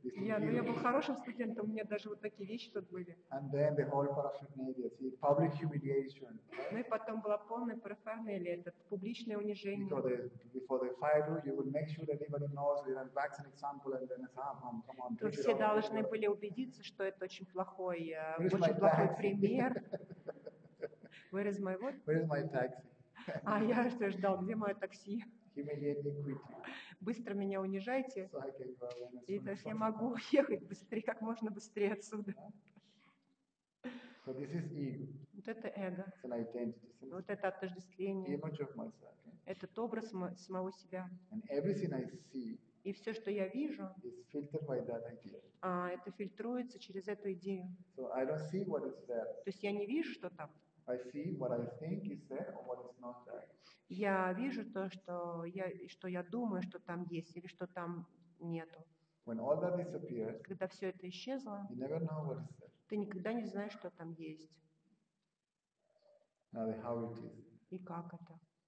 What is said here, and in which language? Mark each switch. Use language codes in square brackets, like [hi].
[ru] Я был хорошим студентом. У меня даже вот такие вещи тут были. [en] And then the whole paraphernalia, see, public humiliation. [ru] Ну и потом была полная парафернелия, это публичное унижение. [en] Before the fire, you would make sure that everybody knows with a vaccine example, and then come on. [ru] Все должны были убедиться, что это очень плохой пример. [en] Where is my what? Where is my taxi? [ru] А я все ждал, где мое такси? [en] Immediately quit. [ru] Быстро меня унижайте, [en] so I can go [ru] и то есть я могу уехать быстрее, как можно быстрее отсюда. [en] So this is ego. [ru] Вот это эго. [en] It's an identity. [ru] Вот это отождествление. [en] Image of myself. [ru] Этот образ самого себя. [en] And everything I see. [ru] И все, что я вижу, [en] is filtered by that idea. [ru] А это фильтруется через эту идею. [en] So I don't see what is there. [ru] То есть я не вижу, что там. [en] I see what I think is there or what is not there. [ru] Я вижу то, что я думаю, что там есть или что там нету. [en] When all that disappears, [ru] когда все это исчезло, [en] you never know what is there. [ru] Ты никогда не знаешь, что там есть. [en] Now, how it is. [ru] И как это?